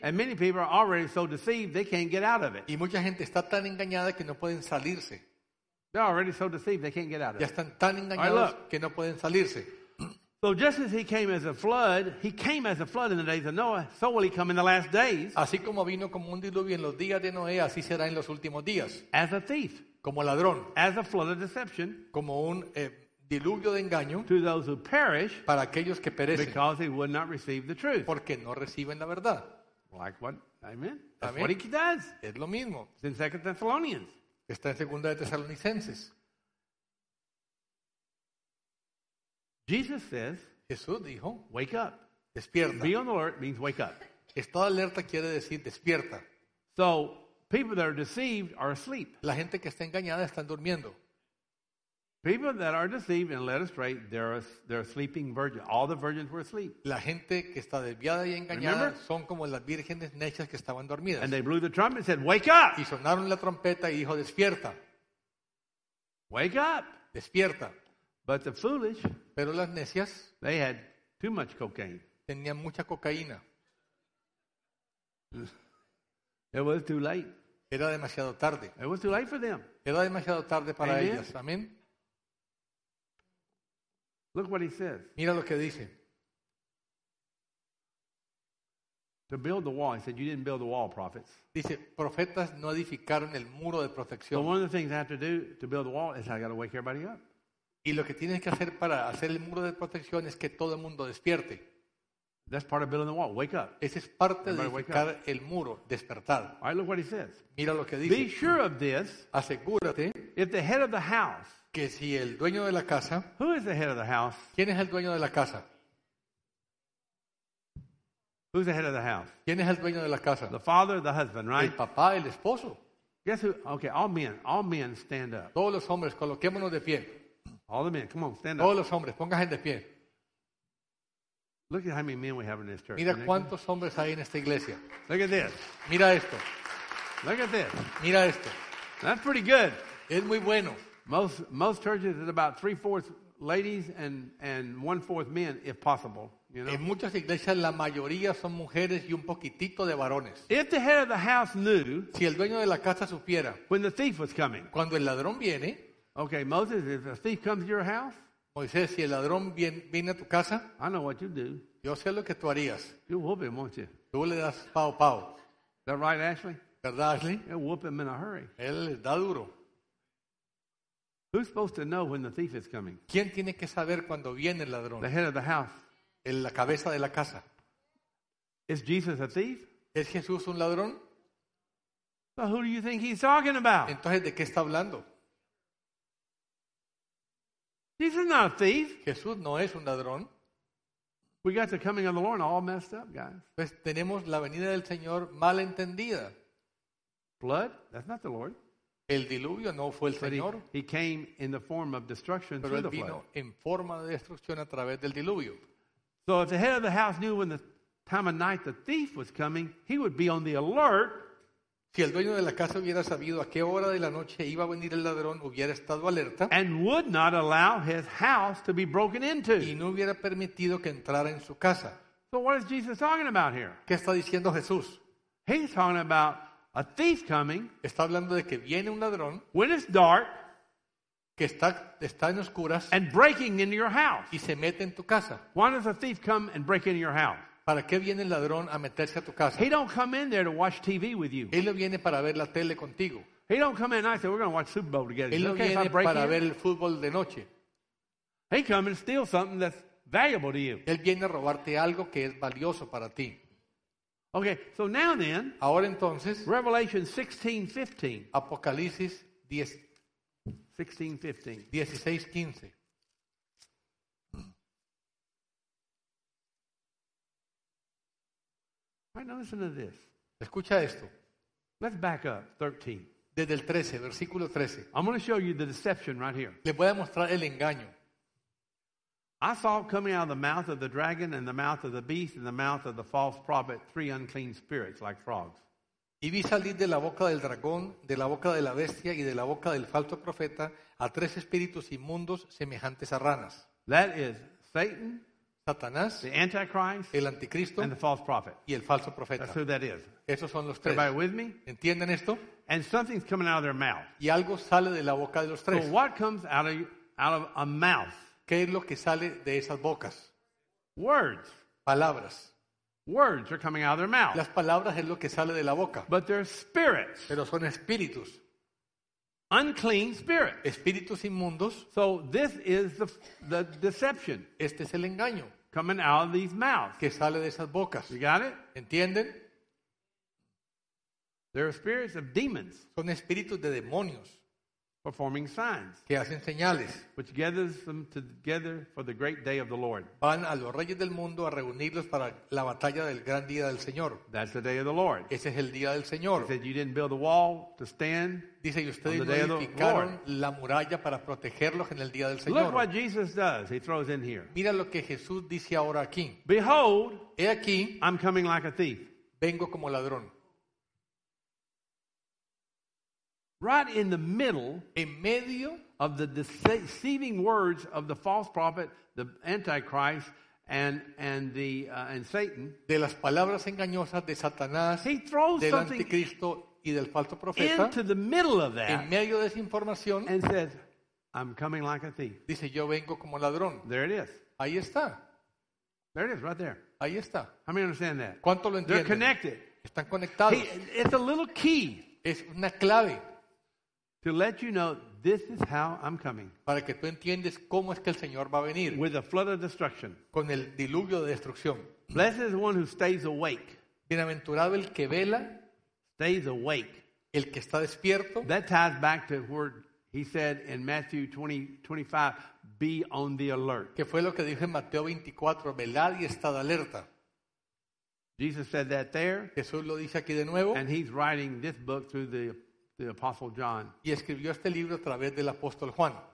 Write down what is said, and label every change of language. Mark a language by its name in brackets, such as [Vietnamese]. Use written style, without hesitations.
[English] And many people are already so deceived they can't get out of it. [Spanish] Y mucha gente está tan engañada que no pueden salirse. [English] They're already so deceived they can't get out of it. [Spanish] Ya están tan engañados [English] right, [Spanish] que no pueden salirse. [English] So just as he came as a flood in the days of Noah, so will he come in the last days. [Spanish] Así como vino como un diluvio en los días de Noé, así será en los últimos días. [English] As a thief. [Spanish] Como ladrón. [English] As a flood of deception. [Spanish] Como un diluvio de engaño. [English] To those who perish. [Spanish] Para aquellos que perecen. [English] Because they would not receive the truth. [Spanish] Porque no reciben la verdad. [English] Like what? Amen. [Spanish] ¿También? [English] That's what he does. [Spanish] Es lo mismo. [English] It's in 2 Thessalonians. [Spanish] Está en segunda de Tesalonicenses. [English] Jesus says. [Spanish] Jesús dijo. [English] Wake up. [Spanish] Despierta. [English] Be on alert means wake up. [Spanish] Estar alerta quiere decir despierta. [English] So. People that are deceived are asleep. [Spanish] La gente que está engañada están durmiendo. [English] People that are deceived and led astray, they're sleeping virgins. All the virgins were asleep. [Spanish] La gente que está desviada y engañada [English] remember? [Spanish] Son como las vírgenes necias que estaban dormidas. [English] And they blew the trumpet and said, "Wake up!" [Spanish] Y sonaron la trompeta y dijo, "Despierta." [English] Wake up! [Spanish] Despierta. [English] But the foolish, [Spanish] pero las necias, [English] they had too much cocaine. [Spanish] Tenían mucha cocaína. [English] It was too late. [Spanish] Era demasiado tarde. [English] It was too late for them. [Spanish] Era demasiado tarde para [English] Amen. [Spanish] Ellas. Amén. [English] Look what he says. [Spanish] Mira lo que dice. [English] To build the wall, he said, "You didn't build the wall, prophets." [Spanish] Dice, profetas no edificaron el muro de protección. [English] So one of the things I have to do to build the wall is I got to wake everybody up. [Spanish] Y lo que tienes que hacer para hacer el muro de protección es que todo el mundo despierte. [English] That's part of building the wall. Wake up. [Spanish] Ese es parte de edificar el muro, despertar. [English] All right, look what he says. [Spanish] Mira lo que dice. [English] Be sure of this. [Spanish] Asegúrate. [English] If the head of the house. [Spanish] Que si el dueño de la casa. [English] Who is the head of the house? [Spanish] ¿Quién es el dueño de la casa? [English] Who's the head of the house? [Spanish] ¿Quién es el dueño de la casa? [English] The father, the husband, right? [Spanish] El papá, el esposo. [English] Guess who? Okay, all men stand up. [Spanish] Todos los hombres, coloquémonos de pie. [English] All the men, come on, stand up. [Spanish] Todos los hombres, pónganse de pie. [English] Look at how many men we have in this church. [Spanish] Mira cuántos hombres hay en esta iglesia. [English] Look at this. [Spanish] Mira esto. [English] Look at this. [Spanish] Mira esto. [English] That's pretty good. [Spanish] Es muy bueno. [English] Most churches is about 3/4 ladies and 1/4 men, if possible. You know? [Spanish] En muchas iglesias la mayoría son mujeres y un poquitito de varones. [English] If the head of the house knew, [Spanish] si el dueño de la casa supiera, [English] when the thief was coming, [Spanish] cuando el ladrón viene, [English] okay, Moses, if a thief comes to your house, [Spanish] Moisés, si el ladrón viene a tu casa, [English] I know what you do. [Spanish] Yo sé lo que tú harías. [English] You whoop him, won't you? [Spanish] Tú le das pau pau. [English] Is that right, Ashley? [Spanish] ¿Verdad, Ashley? [English] You whoop him in a hurry. [Spanish] Él les da duro. [English] Who's supposed to know when the thief is coming? [Spanish] ¿Quién tiene que saber cuando viene el ladrón? [English] The head of the house. [Spanish] En la cabeza de la casa. [English] Is Jesus a thief? [Spanish] ¿Es Jesús un ladrón? [English] But who do you think he's talking about? [Spanish] Entonces, ¿de qué está hablando? [English] Jesus is not a thief. [Spanish] Jesús no es un ladrón. [English] We got the coming of the Lord all messed up, guys. [Spanish] Pues tenemos la venida del Señor mal entendida. [English] Blood? That's not the Lord. [Spanish] El diluvio no fue el Señor. [English] He came in the form of destruction through the flood. [Spanish] Pero él vino en forma de destrucción a través del diluvio. [English] So if the head of the house knew when the time of night the thief was coming, he would be on the alert. [Spanish] Si el dueño de la casa hubiera sabido a qué hora de la noche iba a venir el ladrón, hubiera estado alerta. [English] And would not allow his house to be broken into. [Spanish] Y no hubiera permitido que entrara en su casa. [English] So what is Jesus talking about here? [Spanish] ¿Qué está diciendo Jesús? [English] He's talking about a thief coming. [Spanish] Está hablando de que viene un ladrón. [English] When it's dark. [Spanish] Que está en oscuras. [English] And breaking into your house. [Spanish] Y se mete en tu casa. [English] Why does a thief come and break into your house? [Spanish] ¿Para qué viene el ladrón a meterse a tu casa? [English] He don't come in there to watch TV with you. [Spanish] Él no viene para ver la tele contigo. [English] He don't come in and I say, we're going to watch Super Bowl together. [Spanish] Él no viene para ver el fútbol de noche. [English] He come and steal something that's valuable to you. [Spanish] Él viene a robarte algo que es valioso para ti. [English] Okay, so now then, [Spanish] ahora entonces, [English] Revelation 16:15. [Spanish] Apocalipsis 16:15. [English] Right, now listen to this. [Spanish] Escucha esto. [English] Let's back up 13. [Spanish] Desde el 13, versículo 13. [English] I'm going to show you the deception right here. [Spanish] Le voy a mostrar el engaño. [English] I saw coming out of the mouth of the dragon and the mouth of the beast and the mouth of the false prophet three unclean spirits like frogs. [Spanish] Y vi salir de la boca del dragón, de la boca de la bestia y de la boca del falso profeta a tres espíritus inmundos semejantes a ranas. [English] That is Satan. [Spanish] Satanás, [English] the Antichrist, [Spanish] el anticristo, [English] and the false prophet. [Spanish] Y el falso profeta. [English] That's who that is. [Spanish] Esos son los tres. [English] Everybody with me? [Spanish] ¿Entienden esto? [English] And something's coming out of their mouth. [Spanish] Y algo sale de la boca de los tres. [English] So what comes out of a mouth? [Spanish] ¿Qué es lo que sale de esas bocas? [English] Words. [Spanish] Palabras. [English] Words are coming out of their mouth. [Spanish] Las palabras es lo que sale de la boca. [English] But they're spirits. [Spanish] Pero son espíritus. [English] Unclean spirit. [Spanish] Espíritus inmundos. [English] So this is the deception. [Spanish] Este es el engaño. [English] Coming out of these mouths. [Spanish] Que sale de esas bocas. [English] You got it? [Spanish] ¿Entienden? [English] There are spirits of demons. [Spanish] Son espíritus de demonios. [English] Performing signs. [Spanish] Que hacen señales. [English] Which gathers them together for the great day of the Lord. [Spanish] Van a los reyes del mundo a reunirlos para la batalla del gran día del Señor. [English] That's the day of the Lord. [Spanish] Ese es el día del Señor. [English] He said, you didn't build a wall to stand. [Spanish] Dice, y ustedes no edificaron la muralla para protegerlos en el día del Señor. [English] Look what Jesus does. He throws in here. [Spanish] Mira lo que Jesús dice ahora aquí. [English] Behold, [Spanish] he aquí, [English] I'm coming like a thief. [Spanish] Vengo como ladrón. [English] Right in the middle, [Spanish] en medio [English] of the deceiving words of the false prophet, the Antichrist, and Satan, [Spanish] de las palabras engañosas de Satanás, [English] he throws [Spanish] del anticristo y del falso profeta, [English] into the middle of that, [Spanish] en medio de esa información, [English] and says, "I'm coming like a thief." [Spanish] Dice, yo vengo como ladrón. [English] There it is. [Spanish] Ahí está. [English] There it is, right there. [Spanish] Ahí está. [English] How many understand that? [Spanish] ¿Cuánto lo entienden? [English] They're connected. [Spanish] Están conectados. [English] It's a little key. [Spanish] Es una clave. [English] To let you know, this is how I'm coming. [Spanish] Para que tú entiendas cómo es que el Señor va a venir. [English] With a flood of destruction. [Spanish] Con el diluvio de destrucción. [English] Blessed is the one who stays awake. [Spanish] Bienaventurado el que vela. [English] Stays awake. [Spanish] El que está despierto. [English] That ties back to where he said in Matthew 20:25, be on the alert. [Spanish] Que fue lo que dijo en Mateo 24, velad y estad alerta. [English] Jesus said that there. [Spanish] Jesús lo dice aquí de nuevo. [English] And he's writing this book through the apostle John. [Spanish] Y escribió este libro a través del apóstol Juan.